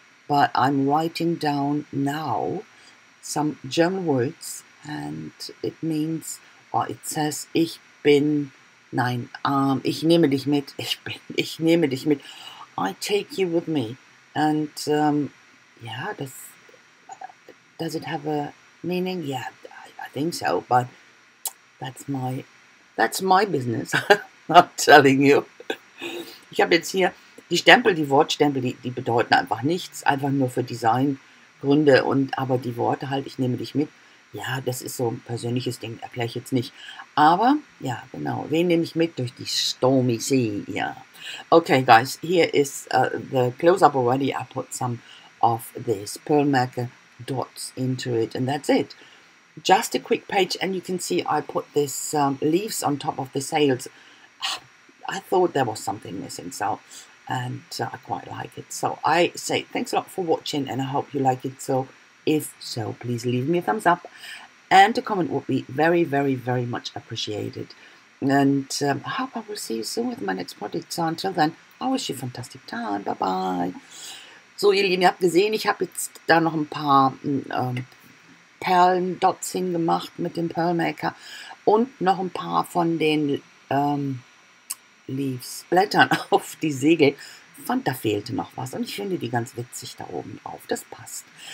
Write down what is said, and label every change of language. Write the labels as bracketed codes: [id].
[en] but I'm writing down now some German words, and it means, or it says, [de] ich bin, nein, ich nehme dich mit, [en] ich nehme dich mit, I take you with me, and yeah, does it have a meaning? Yeah, I think so, but that's my business, I'm telling you. [de] Ich habe jetzt hier die Stempel, die Wortstempel, die bedeuten einfach nichts, einfach nur für Designgründe, und aber die Worte halt, ich nehme dich mit. Ja, das ist so ein persönliches Ding, erkläre ich jetzt nicht. Aber, ja, genau, wen nehme ich mit durch die Stormy Sea, ja. [en] Okay, guys, here is the close-up already. I put some of this pearl-maker dots into it, and that's it. Just a quick page, and you can see I put this leaves on top of the sails. I thought there was something missing, so, and I quite like it. So I say thanks a lot for watching, and I hope you like it. So if so, please leave me a thumbs up, and a comment would be very, very, very much appreciated. And I hope I will see you soon with my next project. So until then, I wish you a fantastic time. Bye-bye. [de] So ihr Lieben, ihr habt gesehen, ich habe jetzt da noch ein paar Perlen-Dots hingemacht mit dem Pearl-Maker und noch ein paar von den Leaves, Blättern auf die Segel. Fand, da fehlte noch was. Und ich finde die ganz witzig da oben drauf. Das passt.